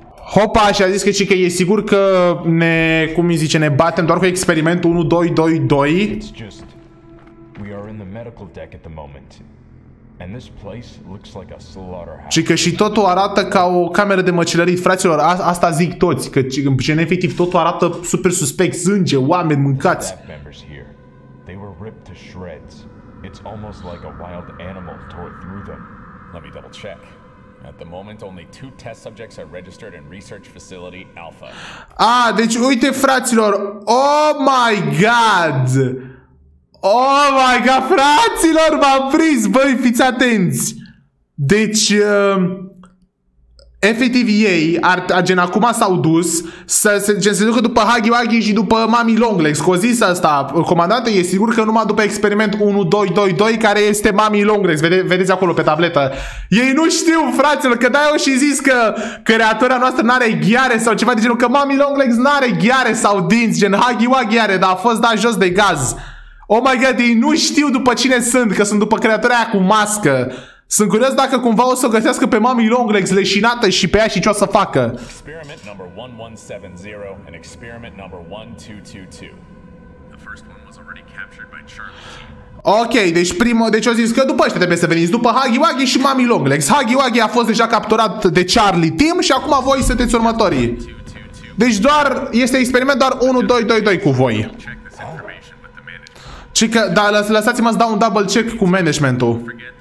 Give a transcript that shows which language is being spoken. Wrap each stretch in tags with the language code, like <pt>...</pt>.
<ro>Hopa și a zis că și că e sigur că ne, cum îi zice, ne batem doar cu experimentul 1222.</ro> <en>We are in the medical deck at the moment. And this place looks like a slaughterhouse.</en> <ro>Și că și totul arată ca o cameră de măcelărit, fraților. Asta zic toți, că în efectiv totul arată super suspect, sânge, oameni mâncați.</ro> <en>They were ripped to shreds. It's almost like a wild animal tore through them. Let me double check. At the moment, only two test subjects are registered in research facility Alpha.</en> <ro>Ah, deci uite, fraților.</ro> <en>Oh my god. Oh my god,</en> <ro>fraților, m-am prins. Băi, fiți atenți. Deci efectiv ei gen acum s-au dus să se ducă după Huggy Wuggy și după Mami Longlegs. Că o zis asta comandante, e sigur că numai după experiment 1222 care este Mami Longlegs. Vedeți acolo pe tabletă. Ei nu știu, fraților, că dai-o și zis că creatoarea noastră n-are ghiare sau ceva de genul, că Mami Longlegs n-are ghiare sau dinți, gen Huggy Wuggy are, dar a fost dat jos de gaz.</ro> <en>Oh my god,</en> <ro>ei nu știu după cine sunt, că sunt după creatoarea aia cu mască. Sunt curios dacă cumva o să o găsească pe Mami Longlegs leșinată și pe ea și ce o să facă.</ro> <en>Experiment number 1170 and experiment number 1222. The first one was already captured by Charlie.</en> <ro>Ok, deci primul, deci o zis că după ăștia trebuie să veniți, după Huggy Wuggy și Mami Longlegs. Huggy Wuggy a fost deja capturat de Charlie Tim și acum voi sunteți următorii. Deci doar este experiment doar 1222 cu voi. Și că, da, lăsați-mă să dau un double check cu managementul.</ro>